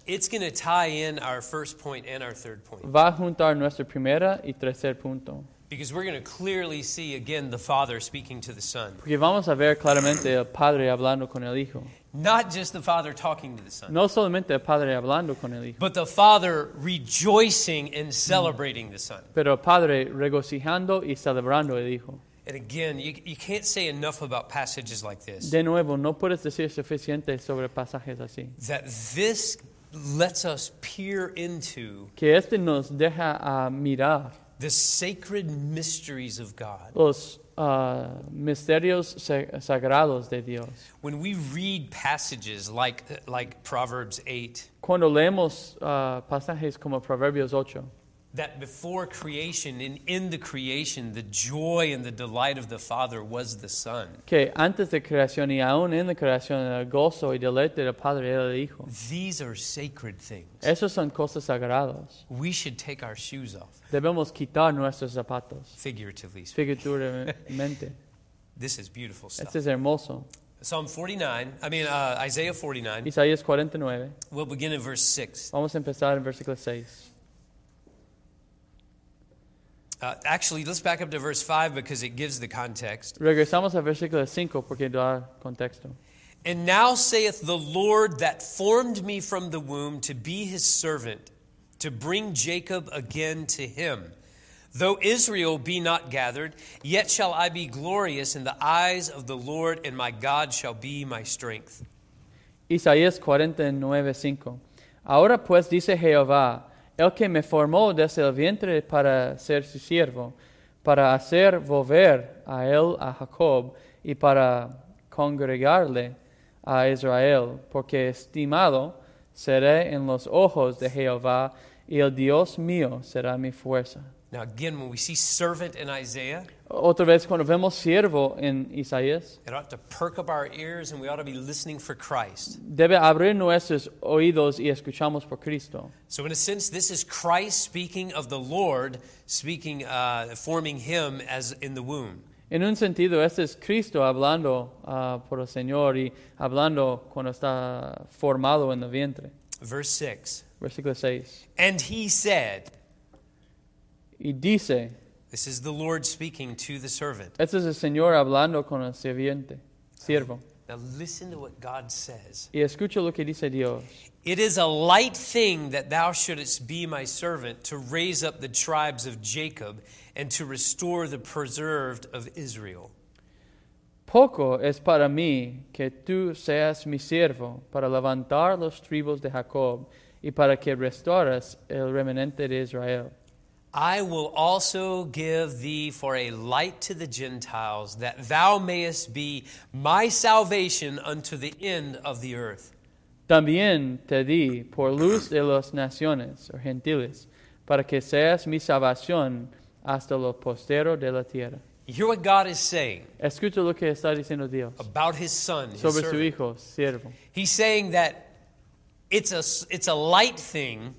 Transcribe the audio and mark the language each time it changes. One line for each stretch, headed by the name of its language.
English: It's going to tie in our first point and our third point.
Spanish: Va a juntar nuestra primera y tercer punto.
English: Because we're going to clearly see, again, the Father speaking to the Son.
Spanish: Porque vamos a ver claramente el Padre hablando con el Hijo.
English: Not just the Father talking to the Son.
Spanish: No solamente el Padre hablando con el Hijo.
English: But the Father rejoicing and celebrating the Son.
Spanish: Pero el Padre regocijando y celebrando el Hijo.
English: And again, you can't say enough about passages like this.
Spanish: De nuevo, no puedes decir suficiente sobre pasajes así.
English: That this lets us peer into...
Spanish: Que este nos deja mirar...
English: The sacred mysteries of God.
Spanish: Los misterios sagrados de Dios.
English: When we read passages like Proverbs 8.
Spanish: Cuando leemos pasajes como Proverbios 8.
English: That before creation and in the creation, the joy and the delight of the Father was the Son.
Spanish: Que antes de creación y aún en la creación, el gozo y deleite del Padre era el Hijo.
English: These are sacred things.
Spanish: Esos son cosas sagradas.
English: We should take our shoes off.
Spanish: Debemos quitar nuestros zapatos.
English: Figuratively speaking.
Spanish: Figuratoriamente.
English: This is beautiful stuff.
Spanish: Este es hermoso.
English: Isaiah 49.
Spanish: Isaías 49.
English: We'll begin in verse 6.
Spanish: Vamos a empezar en versículo 6.
English: Actually, let's back up to verse 5 because it gives the context.
Spanish: Regresamos a versículo 5 porque da contexto.
English: And now saith the Lord that formed me from the womb to be his servant, to bring Jacob again to him. Though Israel be not gathered, yet shall I be glorious in the eyes of the Lord, and my God shall be my strength.
Spanish: Isaías 49:5. Ahora pues dice Jehová, el que me formó desde el vientre para ser su siervo, para hacer volver a él a Jacob y para congregarle a Israel, porque estimado seré en los ojos de Jehová y el Dios mío será mi fuerza.
English: Now again, when we see servant in Isaiah,
Spanish: otra vez cuando vemos siervo en Isaías,
English: it ought to perk up our ears and we ought to be listening for Christ.
Spanish: Debe abrir nuestros oídos y escuchamos por Cristo.
English: So in a sense, this is Christ speaking of the Lord, speaking, forming him as in the womb.
Spanish: En un sentido, este es Cristo hablando por el Señor y hablando cuando está formado en el vientre.
English: Verse 6.
Spanish: Versículo 6.
English: And he said...
Spanish: Y dice,
English: this is the Lord speaking to the servant.
Spanish: Este es el Señor hablando con el sirviente, siervo.
English: Now listen to what God says.
Spanish: Y escucha lo que dice Dios.
English: It is a light thing that thou shouldest be my servant to raise up the tribes of Jacob and to restore the preserved of Israel.
Spanish: Poco es para mí que tú seas mi siervo para levantar los tribus de Jacob y para que restauras el remanente de Israel.
English: I will also give thee for a light to the Gentiles, that thou mayest be my salvation unto the end of the earth.
Spanish: También te di por luz de las naciones, o gentiles, para que seas mi salvación hasta lo postero de la tierra.
English: You hear what God is saying.
Spanish: Escucha lo que está diciendo Dios.
English: About his son, his
Spanish: sobre
English: servant.
Spanish: Su hijo, siervo.
English: He's saying that it's a light thing.